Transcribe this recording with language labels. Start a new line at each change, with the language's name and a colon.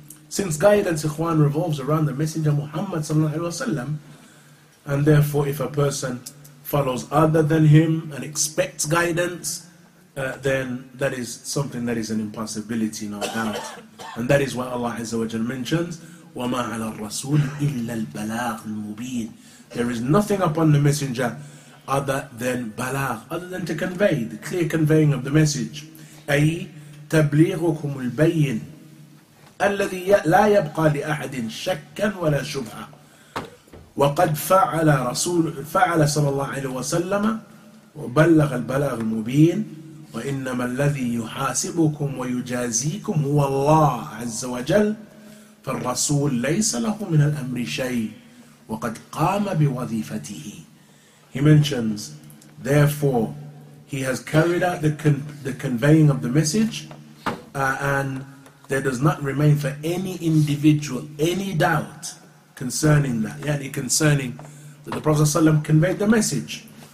English: Since guidance, Ikhwan, revolves around the Messenger Muhammad sallallahu alaihi wasallam, and therefore if a person follows other than him and expects guidance, then that is something that is an impossibility, no doubt. And that is why Allah Azza wa Jalla mentions,
Arabic: وَمَا عَلَى الرَّسُولِ إِلَّا الْبَلَاغُ الْمُبِينُ.
English: There is nothing upon the Messenger other than balaq, other than to convey, the clear conveying of the message.
Arabic: أي تبليغكم البين الذي لا يبقى لأحد شكا ولا شبهة. وقد فعل رسول فعل صلى الله عليه وسلم وبلغ البلاغ المبين. وإنما الذي يحاسبكم ويجازيكم هو الله عز وجل. فالرسول ليس له من الأمر شيء وقد قام بوظيفته.
English: He mentions, therefore, he has carried out the conveying of the message, and there does not remain for any individual any doubt concerning that. Yani concerning that the Prophet ﷺ conveyed the message.